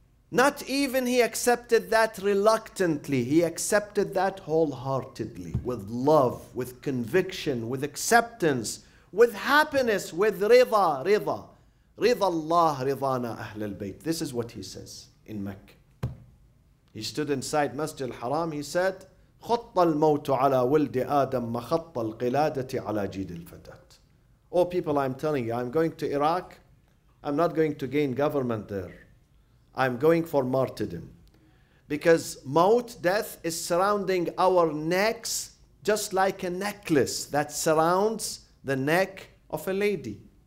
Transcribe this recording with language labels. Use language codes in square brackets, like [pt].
[en] Not even he accepted that reluctantly. He accepted that wholeheartedly, with love, with conviction, with acceptance, with happiness, with rida, rida. [ar] Rida Allah, ridana Ahl al-Bayt. [en] This is what he says in Mecca. He stood inside Masjid al-Haram. He said, [ar] خط الموت على ولد آدم مخط القلادة على جيد الفتاة. [en] Oh people, I'm telling you, I'm going to Iraq. I'm not going to gain government there. I'm going for martyrdom. Because maut, death, is surrounding our necks just like a necklace that surrounds the neck of a lady.